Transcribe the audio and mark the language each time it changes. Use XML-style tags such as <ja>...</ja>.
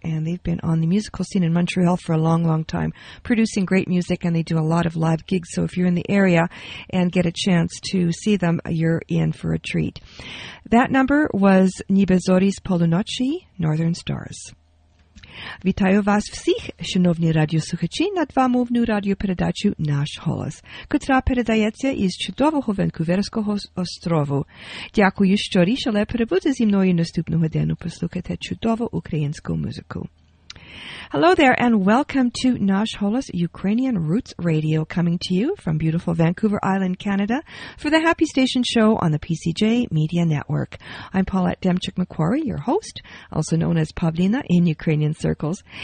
<en>And they've been on the musical scene in Montreal for a long, long time, producing great music, and they do a lot of live gigs. So if you're in the area and get a chance to see them, you're in for a treat. That number was Nibezoris Polunoci, Northern Stars.</en> <uk>Вітаю вас всіх, шановні радіослухачі, на двомовну радіопередачу «Наш голос», котра передається із чудового Ванкуверського острову. Дякую, що рішили перебути зі мною наступну годину послухати чудову українську музику.</uk> <en>Hello there, and welcome to Nash Holos Ukrainian Roots Radio, coming to you from beautiful Vancouver Island, Canada, for the Happy Station Show on the PCJ Media Network. I'm Paulette Demchuk-McQuarrie, your host, also known as Pavlina in Ukrainian circles.</en>